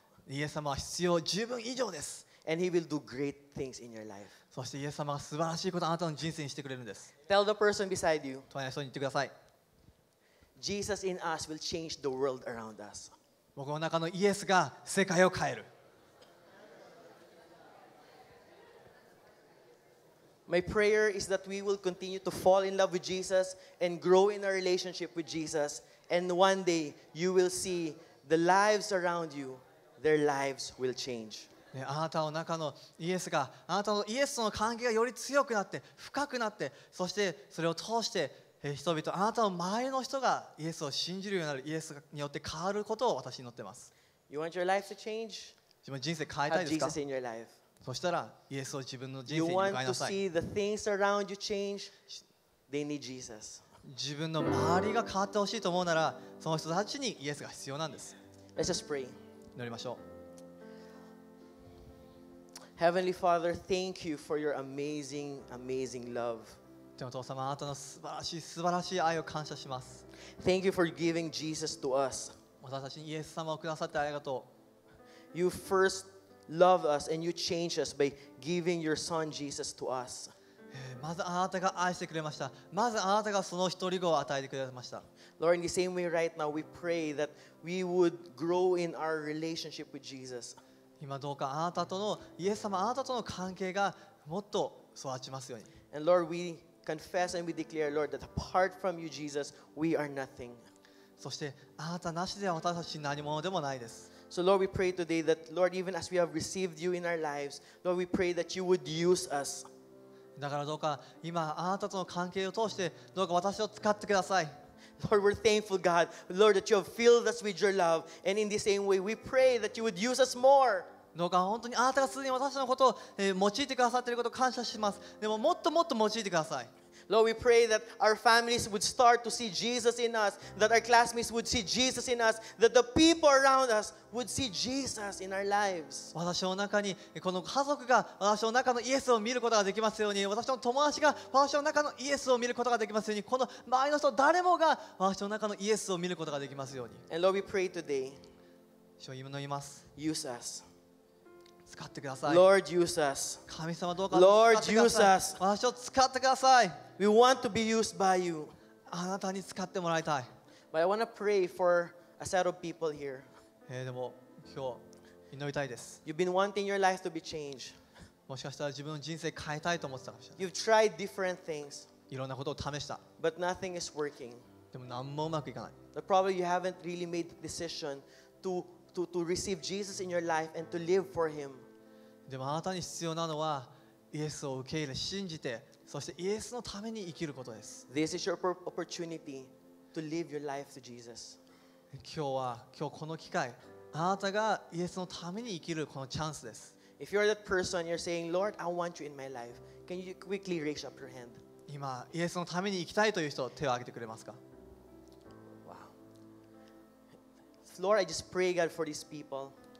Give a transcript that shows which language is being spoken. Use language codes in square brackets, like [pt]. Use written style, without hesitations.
[ja] イエス様は必要十分以上です。 [en] And he will do great things in your life. [ja] そしてイエス様は素晴らしいことをあなたの人生にしてくれるんです。 [en] Tell the person beside you. [ja] 隣の人に言ってください。 [en] Jesus in us will change the world around us. [ja] 僕の中のイエスが世界を変える。 [en] My prayer is that we will continue to fall in love with Jesus and grow in our relationship with Jesus. And one day you will see the lives around you. Their lives will change. [ja] ね、あなたの中のイエスが、あなたのイエスとの関係がより強くなって、深くなって、そしてそれを通して、人々、あなたの周りの人がイエスを信じるようになる、イエスによって変わることを私に祈っています。 [en] You want your life to change? [ja] 自分人生変えたいですか? [en] Have Jesus in your life. [ja] そしたらイエスを自分の人生に迎えなさい。 [en] You want to see the things around you change? They need Jesus. [ja] 自分の周りが変わってほしいと思うなら、その人たちにイエスが必要なんです。 [en] Let's just pray. [ja] 祈りましょう。 [en] Heavenly Father, thank you for your amazing, amazing love. [ja] 天のお父様、あなたの素晴らしい素晴らしい愛を感謝します。 [en] Thank you for giving Jesus to us. [ja] 私たちにイエス様をくださってありがとう。 [en] You first loved us and you changed us by giving your Son Jesus to us. [ja] まずあなたが愛してくれました。まずあなたがその一人子を与えてくれました。 [en] Lord, in the same way right now, we pray that we would grow in our relationship with Jesus. [ja] 今どうかあなたとのイエス様あなたとの関係がもっと育ちますように。 [en] And Lord, we confess and we declare, Lord, that apart from you, Jesus, we are nothing. [ja] そしてあなたなしでは私たち何者でもないです。 [en] So Lord, we pray today that, Lord, even as we have received you in our lives, Lord, we pray that you would use us. [ja] だからどうか今あなたとの関係を通してどうか私を使ってください。 [en] Lord, we're thankful, God, Lord, that you have filled us with your love. And in the same way, we pray that you would use us more. [ja] どうか本当にあなたがすでに私のことを用いてくださっていることを感謝します。でももっともっと用いてください。 [en] Lord, we pray that our families would start to see Jesus in us, that our classmates would see Jesus in us, that the people around us would see Jesus in our lives. [ja] 私の中にこの家族が私の中のイエスを見ることができますように、私の友達が私の中のイエスを見ることができますように、この周りの人誰もが私の中のイエスを見ることができますように。 [en] And Lord, we pray today. [ja] 主を祈ります。 [en] Use us. [ja] 使ってください。 [en] Lord, use us. [ja] 神様どうか [en] Lord, use us. [ja] 私を使ってください。 [en] We want to be used by you. [ja] あなたに使ってもらいたい。 [en] But I want to pray for a set of people here. [ja] でも今日祈りたいです。 [en] You've been wanting your life to be changed. [ja] もしかしたら自分の人生変えたいと思ってたかもしれない。 [en] You've tried different things. [ja] いろんなことを試した。 [en] But nothing is working. [ja] でも何もうまくいかない。 [en] But probably you haven't really made the decision to receive Jesus in your life and to live for Him. [ja] でもあなたに必要なのはイエスを受け入れ信じてそしてイエスのために生きることです。 [en] This is your opportunity to live your life to Jesus. [ja] 今日この機会あなたがイエスのために生きるこのチャンスです。 [en] If you're that person, you're saying, Lord, I want you in my life. Can you quickly raise up your hand? [ja] 今イエスのために生きたいという人手を挙げてくれますか。 [en] Lord, I just pray, God, for these people.